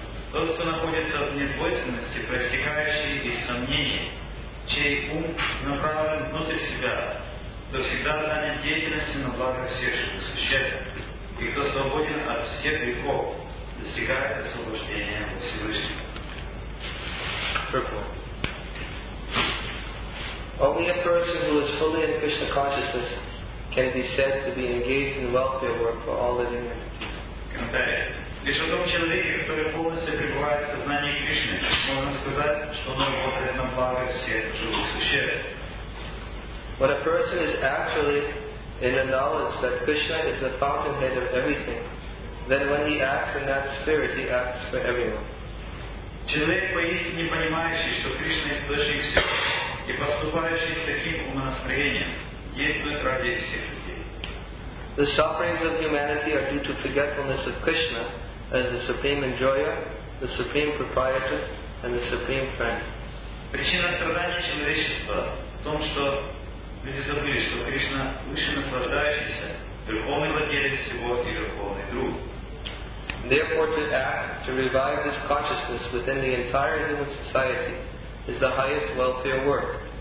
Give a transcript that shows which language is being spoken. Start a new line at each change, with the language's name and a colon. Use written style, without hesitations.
Russian: Тот, кто находится в недвойственности, проистекающей из сомнений, чей ум направлен внутрь себя, то всегда занят деятельностью на благо всех живых существ, и кто свободен от всех грехов, достигает освобождения от Всевышнего.
English: Only a person who is fully in Krishna consciousness can be said to be engaged in welfare work for all living entities.
Russian: Лишь о том человеке, который полностью пребывает в сознании Кришны, можно сказать, что он работает на благо всех живых существ.
English: When a person is actually in the knowledge that Krishna is the fountainhead of everything, then when he acts in that spirit, he acts for everyone.
Russian: Человек, поистине понимающий, что Кришна источник всех, и поступающий с таким умонастроением, действует ради всех людей.
English: The sufferings of humanity are due to forgetfulness of Krishna, as the supreme enjoyer, the supreme proprietor, and the supreme friend.
Russian: Причина страданий человечества в том, что люди забыли, что Кришна выше наслаждающийся, верховный владелец всего и верховный друг.
English: Therefore, to act to revive this consciousness within the entire human society is the highest welfare work.